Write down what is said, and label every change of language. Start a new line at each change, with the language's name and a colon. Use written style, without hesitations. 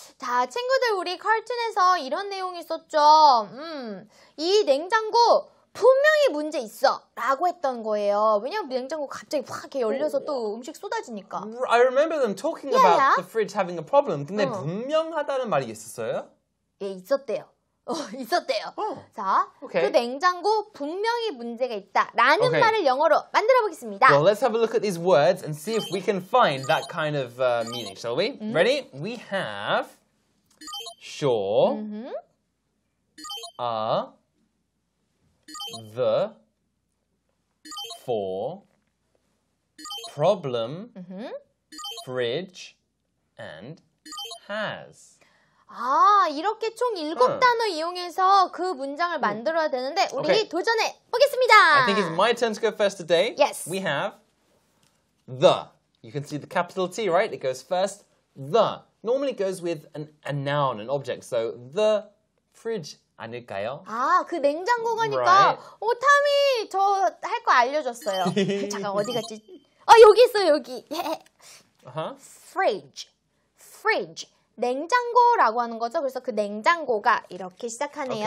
Korean: 자, 친구들 우리 컬툰에서 이런 내용이 있었죠. 이 냉장고 분명히 문제 있어 라고 했던 거예요. 왜냐면 냉장고 갑자기 확 이렇게 열려서 또 음식 쏟아지니까.
English: I remember them talking about the fridge having a problem.
Korean: 근데 분명하다는 말이 있었어요? 예, 있었대요. 있었대요. 자, 그 냉장고 분명히 문제가 있다 라는 말을 영어로 만들어 보겠습니다.
English: Well, let's have a look at these words and see if we can find that kind of meaning, shall we? Ready? We have sure are the for problem fridge and has.
Korean: 아, 이렇게 총 일곱 단어 이용해서 그 문장을 만들어야 되는데 우리 도전해 보겠습니다.
English: I think it's my turn to go first today. Yes. We have the. You can see the capital T, right? It goes first. The. Normally it goes with a noun, an object. So the fridge
Korean: 아닐까요? 아, 그 냉장고가니까 오타미 저 할 거 알려줬어요. 잠깐 어디 갔지? 아, 여기 있어요, 여기. Fridge. Fridge. 냉장고라고 하는 거죠. 그래서 그 냉장고가 이렇게 시작하네요.